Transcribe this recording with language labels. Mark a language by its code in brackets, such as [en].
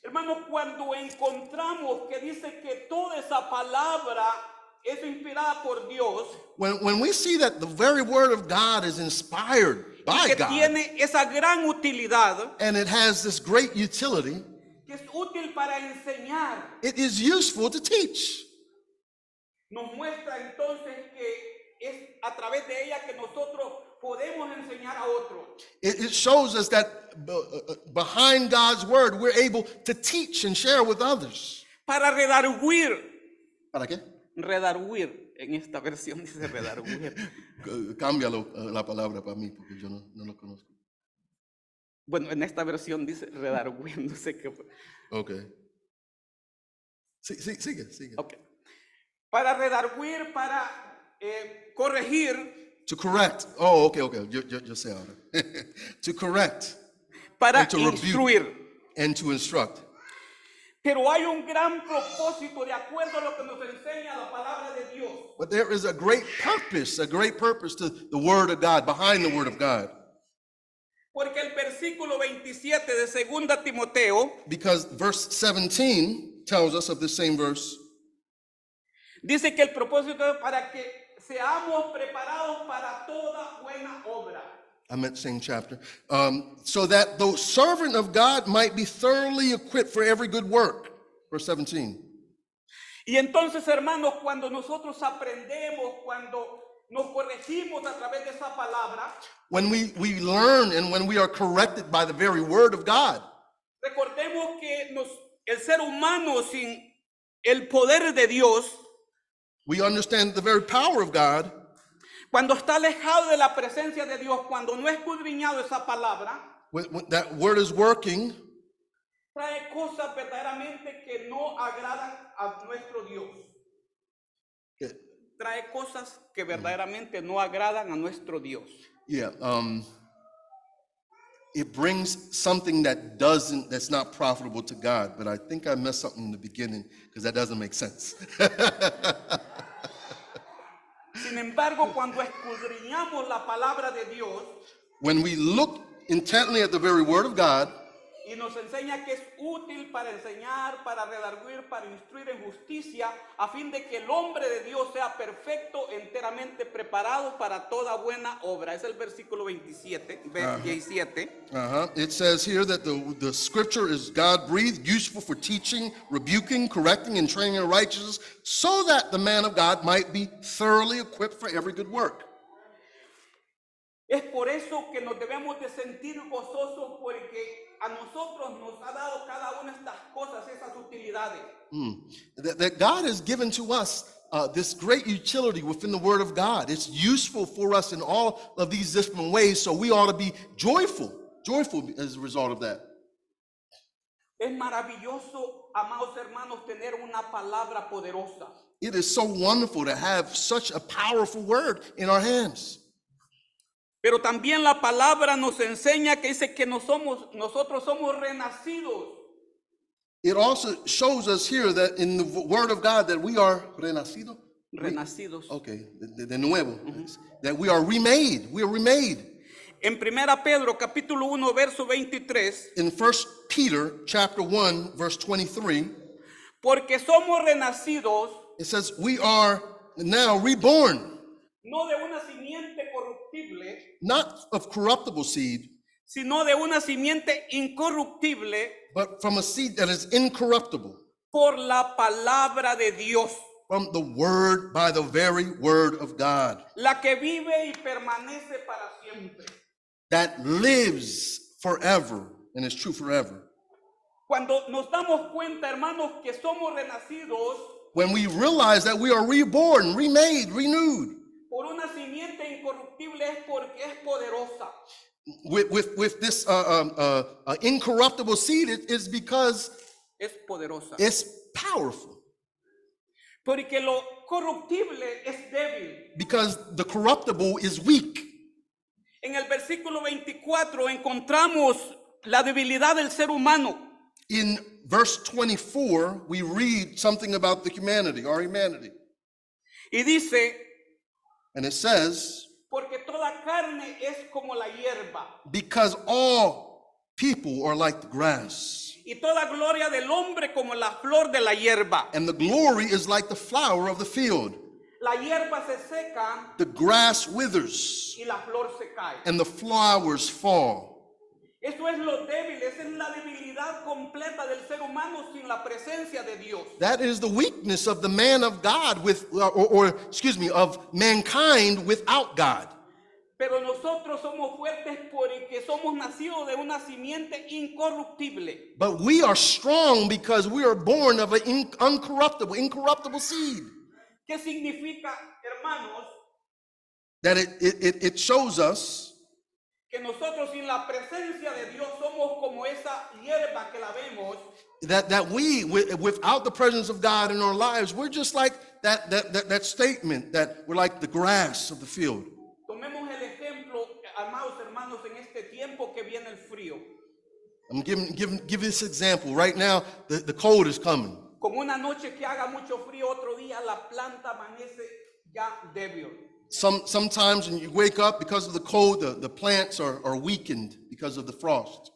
[es] Hermano, cuando encontramos que dice que toda esa palabra es inspirada por Dios, [en] when we see that the very word of God is inspired by God, [es] que tiene esa gran utilidad, [en] and it has this great utility, [es] que es útil para enseñar, [en] it is useful to teach. [es] Nos muestra entonces que es a través de ella que nosotros podemos enseñar a otros. [en] It shows us that behind God's word, we're able to teach and share with others. [es] Para redarguir. ¿Para qué? Redarguir. En esta versión dice redarguir. Cámbialo la palabra para mí porque yo no lo conozco. Bueno, en esta versión dice redarguir. No sé qué. Okay. Sigue. Okay. Para redarguir, para corregir. [en] To correct. Oh, okay. Just say it. To correct. [es] Para [en] and to [es] instruir. [en] And to instruct. [es] Pero hay un gran propósito de acuerdo a lo que nos enseña la palabra de Dios. [en] But there is a great purpose to the word of God, behind the word of God. [es] Porque el versículo 27 de 2 Timoteo. [en] Because verse 17 tells us of the same verse. [es] Dice que el propósito es para que seamos preparados para toda buena obra. [en] I meant same chapter. So that the servant of God might be thoroughly equipped for every good work. Verse 17. [es] Y entonces, hermanos, cuando nosotros aprendemos, cuando nos corregimos a través de esa palabra, [en] when we learn and when we are corrected by the very word of God, [es] recordemos que el ser humano sin el poder de Dios, [en] we understand the very power of God. [es] Cuando está alejado de la presencia de Dios, cuando no es escudriñado esa palabra, [en] when that word is working, [es] trae cosas verdaderamente que no agradan a nuestro Dios. Trae cosas que verdaderamente no agradan a nuestro Dios. [en] It brings something that's not profitable to God, but I think I messed up in the beginning because that doesn't make sense. [es] Sin embargo, cuando escudriñamos la palabra de Dios, [en] when we look intently at the very word of God, [es] y nos enseña que es útil para enseñar, para redarguir, para instruir en justicia, a fin de que el hombre de Dios sea perfecto, enteramente preparado para toda buena obra. Es el versículo 27. [en] It says here that the scripture is God-breathed, useful for teaching, rebuking, correcting, and training in righteousness, so that the man of God might be thoroughly equipped for every good work. [es] Es por eso que nos debemos de sentir gozosos porque a nosotros nos ha dado cada una de estas cosas, esas utilidades. [en] That God has given to us this great utility within the word of God. It's useful for us in all of these different ways, so we ought to be joyful as a result of that. [es] Es maravilloso, amados hermanos, tener una palabra poderosa. [en] It is so wonderful to have such a powerful word in our hands. [es] Pero también la palabra nos enseña que dice que nosotros somos renacidos. [en] It also shows us here that in the word of God that we are renacido. [es] Renacidos. De nuevo. [en] Mm-hmm. That we are remade. We are remade. [es] En Primera Pedro capítulo 1 verso 23. [en] In 1 Peter chapter 1 verse 23. [es] Porque somos renacidos. [en] It says we are now reborn. [es] No de una simiente corruptible. [en] Not of corruptible seed, [es] sino de una simiente incorruptible, [en] but from a seed that is incorruptible, [es] por la palabra de Dios, [en] from the word, by the very word of God, [es] la que vive y permanece para siempre, [en] that lives forever and is true forever. [es] Cuando nos damos cuenta, hermanos, que somos renacidos, [en] when we realize that we are reborn, remade, renewed, [es] por una simiente incorruptible es porque es poderosa. [en] With this incorruptible seed, it is because [es] es poderosa. [en] It's powerful. [es] Porque lo corruptible es débil. [en] Because the corruptible is weak. [es] En el versículo 24 encontramos la debilidad del ser humano. [en] In verse 24, we read something about the humanity, our humanity. [es] Y dice, [en] and it says, [es] porque toda carne es como la hierba, [en] because all people are like the grass, [es] y toda gloria del hombre como la flor de la hierba, [en] and the glory is like the flower of the field. [es] La hierba se seca, [en] the grass withers, [es] y la flor se cae, [en] and the flowers fall. [es] Eso es lo débil, esa es la debilidad completa del ser humano sin la presencia de Dios. [en] That is the weakness of the man of God with, of mankind without God. [es] Pero nosotros somos fuertes porque somos nacidos de una simiente incorruptible. [en] But we are strong because we are born of an incorruptible seed. [es] ¿Qué significa, hermanos? [en] That it shows us [es] que nosotros sin la presencia de Dios somos como esa hierba que la vemos. [en] That we, without the presence of God in our lives, we're just like that statement, that we're like the grass of the field. [es] Tomemos el ejemplo, amados hermanos, en este tiempo que viene el frío. [en] I'm giving this example. Right now, the cold is coming. [es] Con una noche que haga mucho frío, otro día la planta amanece ya débil. [en] Sometimes when you wake up because of the cold, the plants are weakened because of the frost.